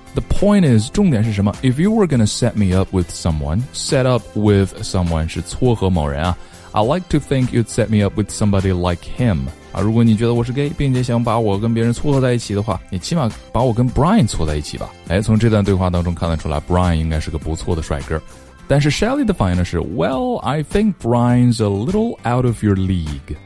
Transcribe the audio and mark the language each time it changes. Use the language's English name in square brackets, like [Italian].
[English] The point is, [Chinese] 重点是什么 [English] ？If you were gonna set me up with someone, set up with someone [Chinese] 是撮合某人啊。 [English] I like to think you'd set me up with somebody like him. [Chinese] 啊，如果你觉得我是 gay， 并且想把我跟别人撮合在一起的话，你起码把我跟 Brian 撮在一起吧。哎，从这段对话当中看得出来 ，Brian 应该是个不错的帅哥。但是 Shelley 的反应呢是 [English] Well, I think Brian's a little out of your league.